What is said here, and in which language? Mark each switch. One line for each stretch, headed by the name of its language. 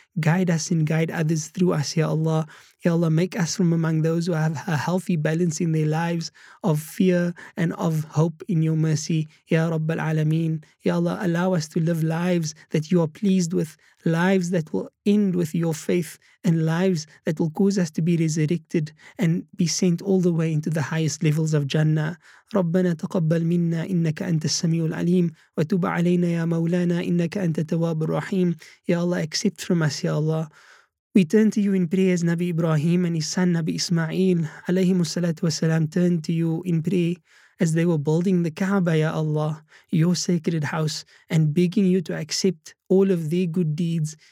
English: Guide us and guide others through us, Ya Allah. Ya Allah, make us from among those who have a healthy balance in their lives of fear and of hope in your mercy, Ya Rabbal Alameen. Ya Allah, allow us to live lives that you are pleased with, lives that will end with your faith, and lives that will cause us to be resurrected and be sent all the way into the highest levels of Jannah.
Arabic: ربنا تقبل منا إنك أنت السميع العليم وتوب علينا يا مولانا إنك أنت التواب الرحيم.
English: Ya Allah, accept from us, Ya Allah. We turn to you in prayer as Nabi Ibrahim and his son Nabi Ismail عليهم الصلاة والسلام turned to you in prayer as they were building the Kaaba, Ya Allah, your sacred house, and begging you to accept all of their good deeds.